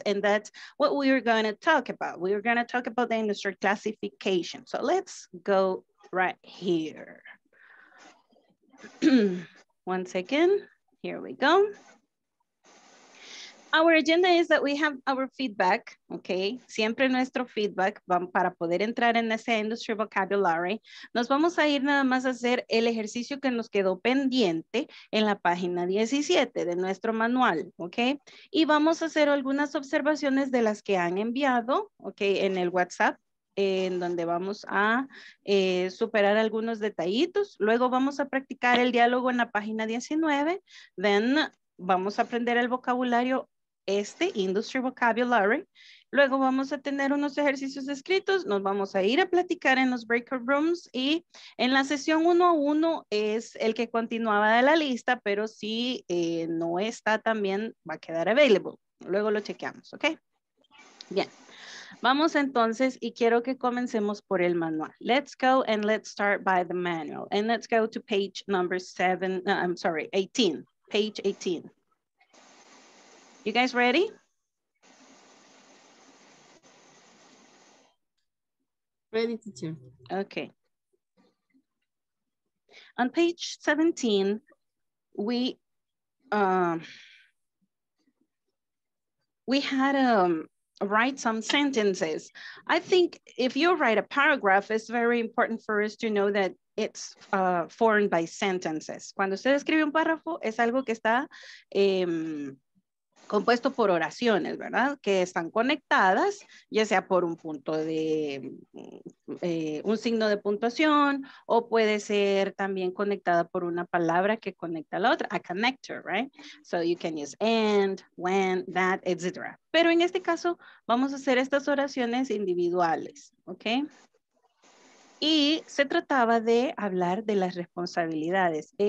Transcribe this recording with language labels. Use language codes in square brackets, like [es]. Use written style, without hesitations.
[en] And that's what we were going to talk about. We were going to talk about the industry classification. So let's go right here. One second. Here we go. our agenda is that we have our feedback, okay? [es] Siempre nuestro feedback para poder entrar en ese industry vocabulary. Nos vamos a ir nada más a hacer el ejercicio que nos quedó pendiente en la página 17 de nuestro manual, okay? Y vamos a hacer algunas observaciones de las que han enviado, okay, en el WhatsApp, en donde vamos a superar algunos detallitos. Luego vamos a practicar el diálogo en la página 19. Then vamos a aprender el vocabulario, este, industry vocabulary. Luego vamos a tener unos ejercicios escritos. Nos vamos a ir a platicar en los breakout rooms. Y en la sesión 1-1 es el que continuaba de la lista, pero si no está, también va a quedar available. Luego lo chequeamos, ¿ok? Bien. Vamos entonces y quiero que comencemos por el manual. [en] Let's go and let's start by the manual. And let's go to page number 7, I'm sorry, 18. Page 18. You guys ready? Ready, teacher. Okay. On page 17, we had write some sentences. I think if you write a paragraph, it's very important for us to know that it's formed by sentences. [es] Cuando usted escribe un párrafo, es algo que está compuesto por oraciones, ¿verdad? Que están conectadas, ya sea por un punto de, un signo de puntuación, o puede ser también conectada por una palabra que conecta a la otra, a connector, right? [en] So you can use and, when, that, etc. [es] Pero en este caso, vamos a hacer estas oraciones individuales, ¿ok? Y se trataba de hablar de las responsabilidades.